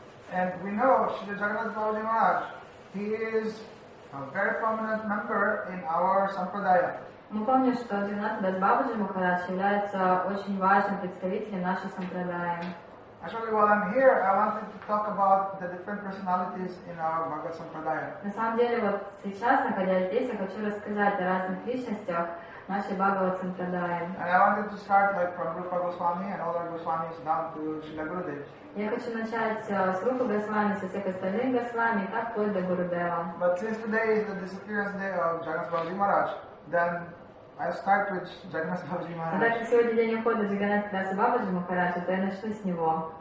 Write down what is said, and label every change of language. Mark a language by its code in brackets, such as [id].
[en] And we know Shri Jagannath Babaji Maharaj, he is a very prominent member in our sampradaya. [ru] Мы помним, что Jagannath Das Babaji Maharaj является очень важным представителем нашей сампрадаи. [en] Actually, while I'm here, I wanted to talk about the different personalities in our Bhagavad Sampradaya. [ru] На самом деле, вот сейчас, находясь здесь, я хочу рассказать о разных личностях нашей Бхагавад Сампрадаи. [en] And I wanted to start like from Rupa Goswami and all our Goswamis down to Srila Gurudev. [ru] Я хочу начать с Рупы Госвами, со всех остальных Госвами, так вплоть до Гурудева. [en] But since today is the disappearance day of Jagannath Babaji Maharaj, then I start with Jagannath Babaji Maharaj. [ru] Так как сегодня день ухода Джаганнатха Даса Бабаджи Махараджа, то я начну с него.